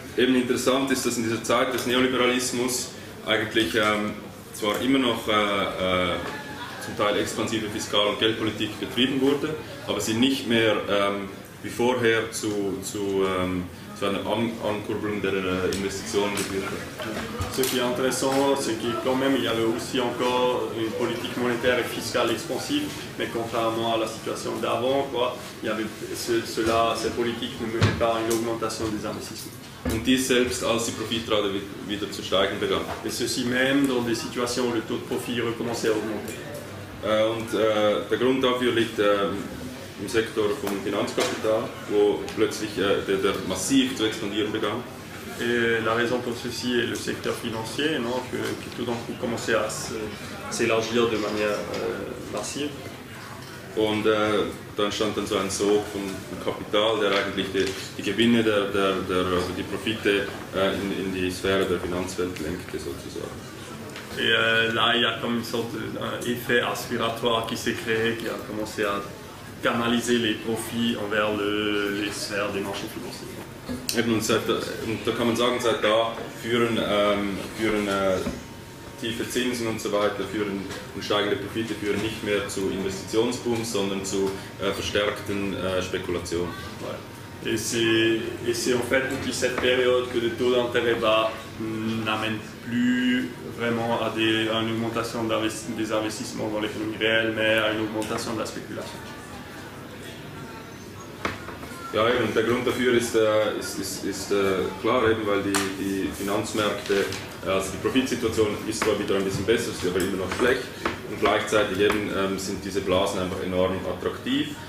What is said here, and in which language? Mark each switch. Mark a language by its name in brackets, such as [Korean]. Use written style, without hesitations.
[German] Eben interessant ist, dass in dieser Zeit des Neoliberalismus eigentlich zwar immer noch zum Teil expansive Fiskal- und Geldpolitik betrieben wurde, aber sie nicht mehr wie vorher zu einer Ankurbelung der Investitionen geführt hat. [French] Ce qui est intéressant, c'est qu'il y a quand même, il y avait aussi encore une politique monétaire et fiscale expansive, mais contrairement à la situation d'avant, quoi, il y avait cette politique ne menait pas à une augmentation des investissements. [German] Und dies selbst, als die Profitrate wieder zu steigen begann. [French] Et ceci même dans des situations où le taux de profit recommençait à augmenter. [German] Der Grund dafür liegt im Sektor vom Finanzkapital, wo plötzlich der massiv zu expandieren begann. [French] Et la raison pour ceci est le secteur financier, non, qui tout d'un coup commençait à s'élargir de manière massive. [German] Und dann stand dann so ein Sog vom Kapital, der eigentlich die Gewinne also die Profite in die Sphäre der Finanzwelt lenkte sozusagen. [French] Et là, il y a comme une sorte d'effet aspiratoire qui s'est créé, qui a commencé à canaliser les profits envers les sphères des marchés financiers. [German] Eben, und da kann man sagen, seit da führen tiefe Zinsen und so weiter, führen und steigende Profite führen nicht mehr zu Investitionsbooms, sondern zu verstärkten Spekulationen. [French] Et c'est en fait depuis cette période que le taux d'intérêt bas n'amène plus vraiment à une augmentation des investissements dans l'économie réelle, mais à une augmentation de la spéculation. [German] Ja, und der Grund dafür ist klar, eben weil die Finanzmärkte, also die Profitsituation ist zwar wieder ein bisschen besser, ist aber immer noch schlecht. Und gleichzeitig eben sind diese Blasen einfach enorm attraktiv.